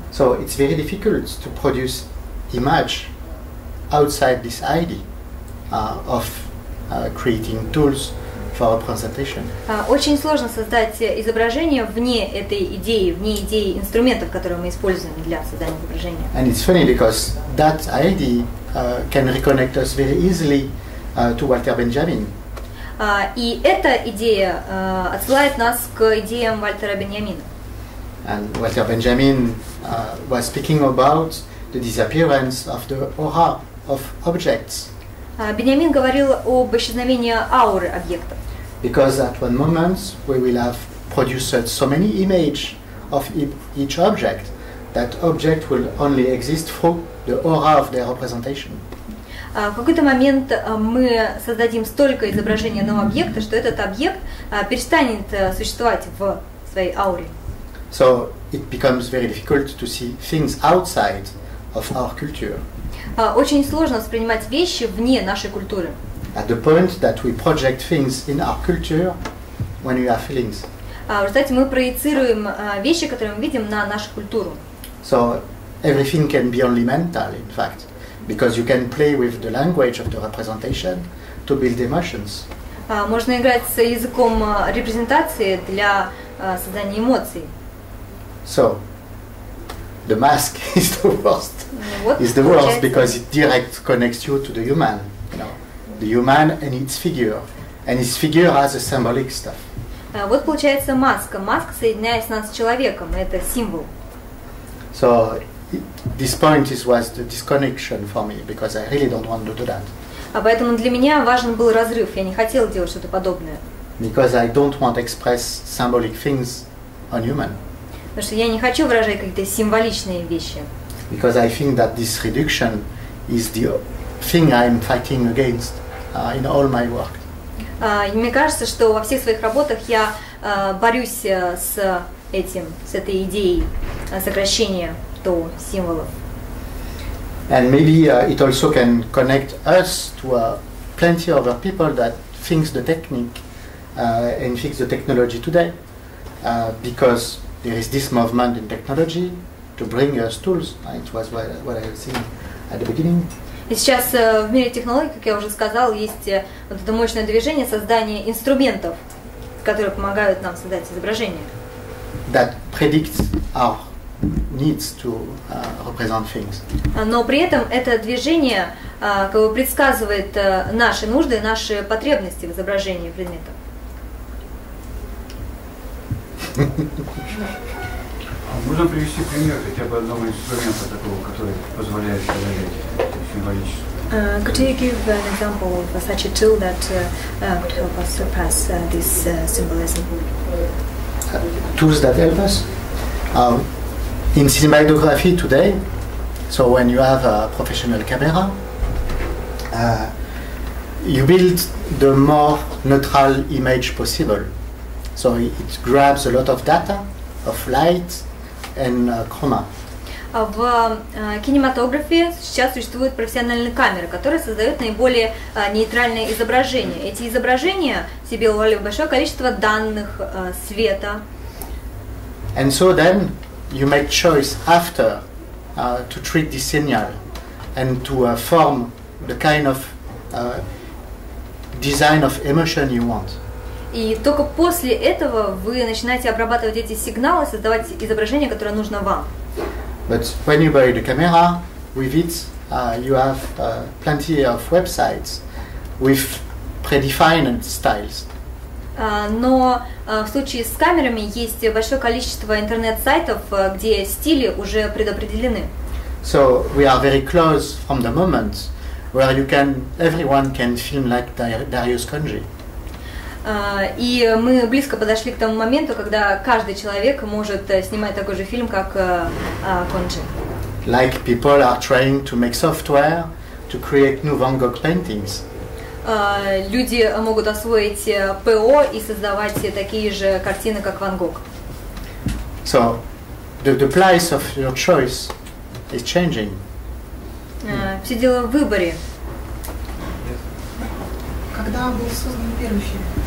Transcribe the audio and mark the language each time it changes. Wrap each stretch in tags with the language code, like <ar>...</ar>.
<en>So it's very difficult to produce image outside this idea of creating tools for our presentation.</en> <ru>Очень сложно создать изображение вне этой идеи, вне идеи инструментов, которые мы используем для создания изображения.</ru> <en>And it's funny because that idea can reconnect us very easily to Walter Benjamin.</en> <ru>И эта идея отсылает нас к идеям Вальтера Беньямина.</ru> <en>And Walter Benjamin was speaking about the disappearance of the aura of objects.</en> <ru>Беньямин говорил об исчезновении ауры объектов.</ru> <en>Because at one moment we will have produced so many images of each object that object will only exist through the aura of their representation.</en> <ru>В какой-то момент мы создадим столько изображений одного объекта, что этот объект перестанет существовать в своей ауре.</ru> <en>So it becomes very difficult to see things outside of our culture.</en> <ru>Очень сложно воспринимать вещи вне нашей культуры.</ru> <en>At the point that we project things in our culture, when we have feelings.</en> <ru>В результате мы проецируем вещи, которые мы видим, на нашу культуру.</ru> <en>So everything can be only mental, in fact, because you can play with the language of the representation to build emotions.</en> <ru>Можно играть с языком репрезентации для создания эмоций.</ru> <en>So the mask is the worst. Is the worst because it directly connects you to the human, you know, the human and its figure, and its figure has a symbolic stuff.</en> <ru>Вот получается маска. Маска соединяет нас с человеком. Это символ.</ru> <en>So this point was the disconnection for me because I really don't want to do that.</en> <ru>Поэтому для меня важен был разрыв. Я не хотел делать что-то подобное.</ru> <en>Because I don't want to express symbolic things on human.</en> <ru>Потому что я не хочу выражать какие-то символичные вещи.</ru> <en>Because I think that this reduction is the thing I'm fighting against in all my work.</en> <ru>Мне кажется, что во всех своих работах я борюсь с этим, с этой идеей сокращения то символов.</ru> <en>And maybe it also can connect us to plenty of other people that thinks the technique and thinks the technology today because there is this movement in technology to bring us tools. It was what I was saying at the beginning.</en> <ru>И сейчас в мире технологий, как я уже сказал, есть вот это мощное движение создания инструментов, которые помогают нам создать изображение.</ru> <en>That predicts our needs to represent things.</en> <ru>Но при этом это движение как бы предсказывает наши нужды, наши потребности в изображении предметов. Можно привести пример хотя бы одного инструмента такого, который позволяет создать символическое?</ru> <en>Could you give an example of such a tool that could help us surpass this symbolism? Tools that help us? In cinematography today, so when you have a professional camera, you build the more neutral image possible. So it grabs a lot of data, of light, and chroma.</en> <ru>В кинематографе сейчас существуют профессиональные камеры, которые создают наиболее нейтральные изображения. Эти изображения себе уловили большое количество данных света.</ru> <en>And so then you make choice after to treat the signal and to form the kind of design of emotion you want.</en> <ru>И только после этого вы начинаете обрабатывать эти сигналы, создавать изображение, которое нужно вам.</ru> <en>But when you buy the camera, with it, you have plenty of websites with predefined styles.</en> <ru>Но в случае с камерами есть большое количество интернет-сайтов, где стили уже предопределены.</ru> <en>So we are very close from the moment where you can, everyone can film like Darius Conji.</en> <ru>И мы близко подошли к тому моменту, когда каждый человек может снимать такой же фильм, как Conji.</ru> <en>Like people are trying to make software to create new Van Gogh paintings.</en> <ru>Люди могут освоить ПО и создавать такие же картины, как Ван Гог.</ru> <en>So, the place of your choice is changing.</en> <ru>Все дело в выборе. Когда был создан первый фильм?</ru>